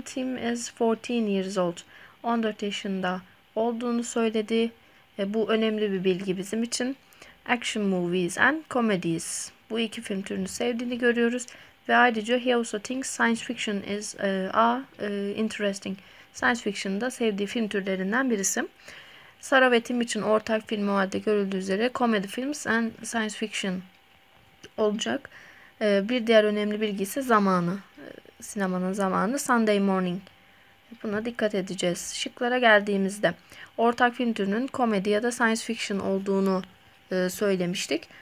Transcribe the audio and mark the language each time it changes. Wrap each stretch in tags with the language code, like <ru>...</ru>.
<en>Tim is 14 years old.</en> <tr>14 yaşında olduğunu söyledi. Bu önemli bir bilgi bizim için.</tr> <en>Action movies and comedies.</en> <tr>Bu iki film türünü sevdiğini görüyoruz. Ve ayrıca</tr> <en>he also thinks science fiction is interesting.</en> <tr>Science fiction'ın da sevdiği film türlerinden birisi. Sara ve Tim için ortak film o halde görüldüğü üzere</tr> <en>comedy films and science fiction</en> <tr>olacak. Bir diğer önemli bilgi ise zamanı. Sinemanın zamanı</tr> <en>Sunday morning.</en> <tr>Buna dikkat edeceğiz. Şıklara geldiğimizde ortak film türünün komedi ya da science fiction olduğunu söylemiştik.</tr>